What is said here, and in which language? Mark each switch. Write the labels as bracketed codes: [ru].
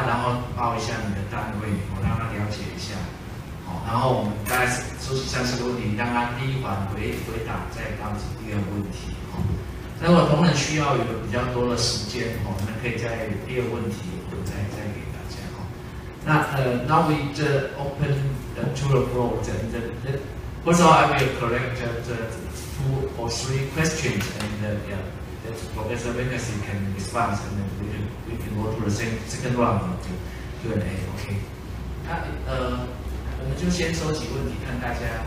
[zh] 然后报一下你的单位，我让他了解一下。好，然后我们大概收集三四个问题，让他第一环回答，再当第二个问题。那如果同仁需要有比较多的时间，我们可以在第二问题再给大家。 [en] 那now we just open the to the floor. First of all, I will collect the two or three questions, and that Professor Venus can respond, and then we can go to the second round of the Q&A. Okay. [zh] 那我们就先收集问题，看大家。